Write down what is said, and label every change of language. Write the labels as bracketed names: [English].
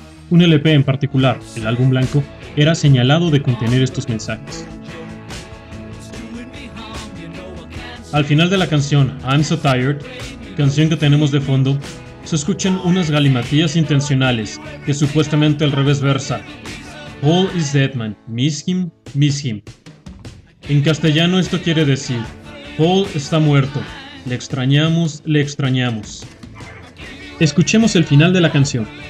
[Spanish] Un LP en particular, el álbum blanco, era señalado de contener estos mensajes. Al final de la canción I'm So Tired, canción que tenemos de fondo, se escuchan unas galimatías intencionales que supuestamente al revés versa. [English] Paul is dead man, miss him, miss him. [Spanish] En castellano esto quiere decir, Paul está muerto, le extrañamos, le extrañamos. Escuchemos el final de la canción.